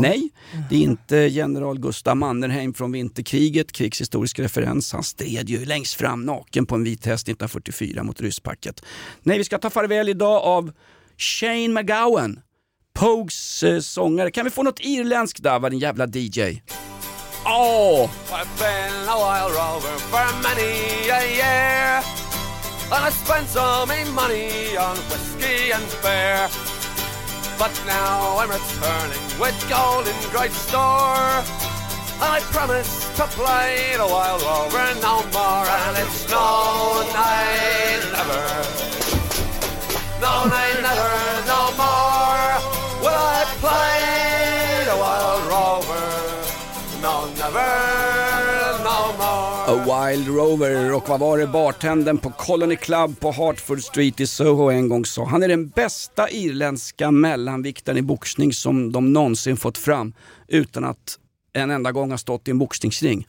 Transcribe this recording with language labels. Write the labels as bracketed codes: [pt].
[sv] Nej, det är inte general Gustav Mannerheim från vinterkriget, krigshistorisk referens. Han stred ju längst fram naken på en vit häst 1944 mot rysspacket. Nej, vi ska ta farväl idag av Shane McGowan, Pogues sångare. Kan vi få något irländskt där, var den jävla DJ? [en] Oh, I've been a wild rover for many a year, and I spent so many money on whiskey and beer. But now I'm returning with gold in great store, and I promise to play the wild rover no more. And it's no, nay, never, no, nay, never, no more will I play the wild rover. No, never, no more. A wild rover, [sv] och vad var det bartenden på Colony Club på Hartford Street i Soho en gång sa. Han är den bästa irländska mellanvikten i boxning som de någonsin fått fram utan att en enda gång ha stått i en boxningsring.